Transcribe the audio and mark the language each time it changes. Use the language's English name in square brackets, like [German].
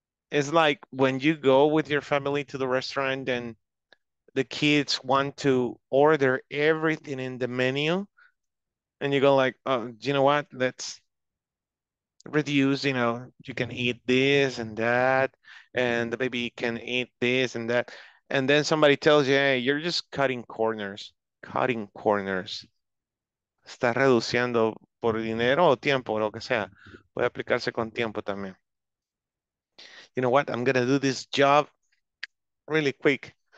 [English] It's like when you go with your family to the restaurant and the kids want to order everything in the menu and you go like, oh, you know what? Let's reduce, you know, you can eat this and that and the baby can eat this and that. And then somebody tells you, hey, you're just cutting corners, cutting corners. [Spanish] Está reduciendo por dinero o tiempo, lo que sea. Puede aplicarse con tiempo también. [English] You know what? I'm going to do this job really quick.